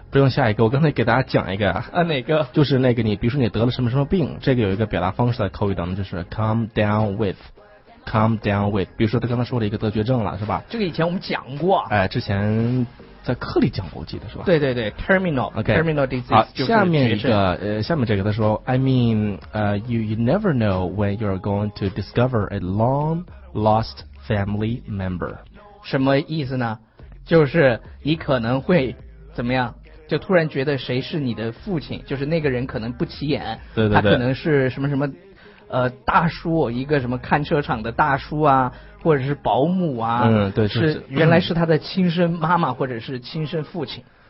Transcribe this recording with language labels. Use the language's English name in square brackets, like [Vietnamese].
[Chinese] 不用下一个，我刚才给大家讲一个啊，哪个？就是那个你，比如说你得了什么什么病，这个有一个表达方式在口语当中，就是 [English] come down with。 Calm down with， [Chinese] 比如说他刚才说了一个得绝症了，是吧？这个以前我们讲过。哎，之前在课里讲过，我记得是吧？对对对 ，terminal，OK，、 [English] okay, terminal disease。 [Chinese] 好，下面一个，下面这个他说 [English] ，I mean， you never know when you're going to discover a long lost family member。 [Chinese] 什么意思呢？就是你可能会怎么样？就突然觉得谁是你的父亲？就是那个人可能不起眼，对对对，他可能是什么什么。大叔，一个什么看车厂的大叔啊，或者是保姆啊，嗯，对，是原来是他的亲生妈妈或者是亲生父亲。